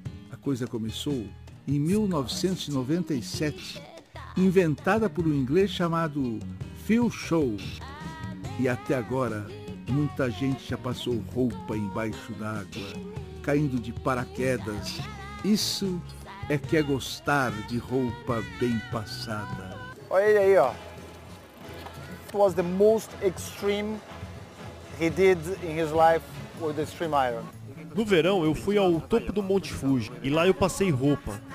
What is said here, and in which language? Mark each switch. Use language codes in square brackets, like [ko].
[pt] A coisa começou em 1997, inventada por um inglês chamado Phil Show. E até agora, muita gente já passou roupa embaixo d'água, caindo de paraquedas. Isso... é que é gostar de roupa bem passada. Olha ele aí, ó. [en] It was the most extreme he did in his life with the Stream Iron. [pt] No verão eu fui ao topo do Monte Fuji e lá eu passei roupa.